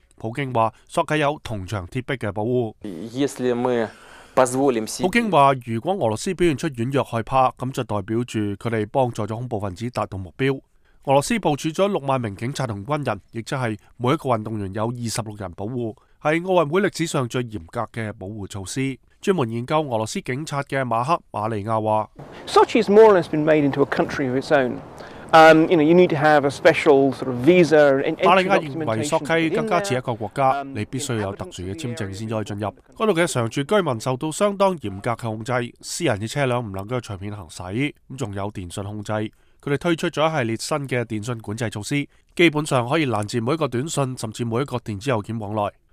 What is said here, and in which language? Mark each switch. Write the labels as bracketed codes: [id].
[zh] 普京话，索契有铜墙铁壁嘅保护。普京说，如果俄罗斯表现出软弱害怕，那就代表着他们帮助了恐怖分子达到目标。俄罗斯部署了60000警察和军人，也就是每一个运动员有26人保护，是奥运会历史上最严格的保护措施。专门研究俄罗斯警察的马克·马利亚说， [en] Sochi has more or less been made into a country of its own. you need to have a special sort of visa and entry documentation. [zh] 马利亚认为索契更加似一个国家，你必须有特殊的签证才可以进入。那里的常住居民受到相当严格的控制，私人的车辆不能够随便行驶，还有电信控制。他们推出了一系列新的电信管制措施，基本上可以拦截每一个短信，甚至每一个电子邮件往来。